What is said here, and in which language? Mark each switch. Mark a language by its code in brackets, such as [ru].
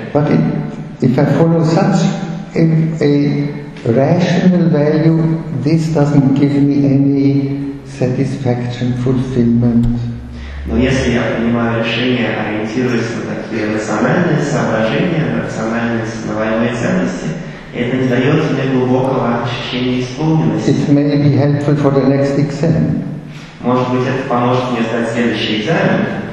[en] But if I follow such a rational value, this doesn't give me any satisfaction, fulfillment. [ru] Но если я принимаю решение, ориентируясь на такие рациональные соображения, рациональные основания ценности, это не дает мне глубокого ощущения исполненности. [en] It may be helpful for the next exam. [ru] Может быть, это поможет мне сдать следующий экзамен.